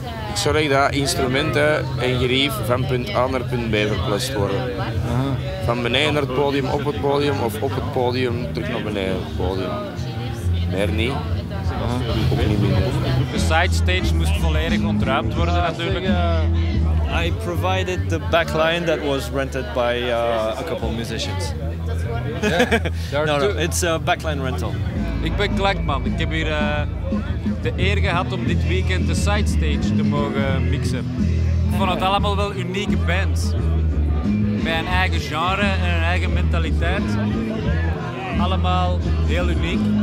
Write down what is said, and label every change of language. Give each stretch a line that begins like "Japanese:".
Dutch: Ik zorg dat instrumenten en gerief van punt A naar punt B verplaatst worden. Van beneden naar het podium, op het podium of op het podium, terug naar beneden naar het podium. Meer niet. De sidestage moest volledig ontruimd worden natuurlijk.
English: I provided the backline that was rented by a couple of musicians. No, it's a backline rental.
Dutch: Ik ben Klankman. Ik heb hier de eer gehad om dit weekend de sidestage te mogen mixen. Ik vond het allemaal wel unieke bands. Met een eigen genre en een eigen mentaliteit. Allemaal heel uniek.